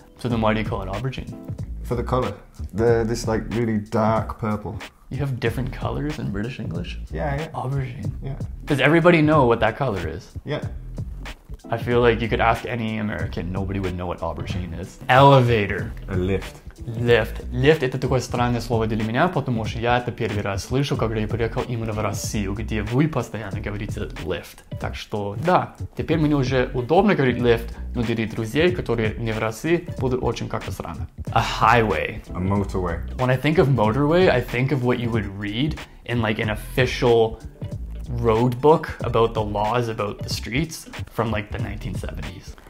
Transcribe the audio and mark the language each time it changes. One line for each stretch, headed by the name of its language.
English: So then why do you call it aubergine? For the color. This like really dark purple. You have different colors in British English? Yeah. Aubergine. Yeah. Does everybody know what that color is? Yeah. I feel like you could ask any American, nobody would know what aubergine is. Elevator. A lift. Lift.
Russian: Lift — это такое странное слово для меня, потому что я это первый раз слышал, когда я приехал именно в Россию, где вы постоянно говорите lift. Так что да, теперь мне уже удобно говорить lift, но для друзей, которые не в России, будет очень как-то странно.
English: A highway. A motorway. When I think of motorway, I think of what you would read in like an official road book about the laws about the streets from like the 1970s.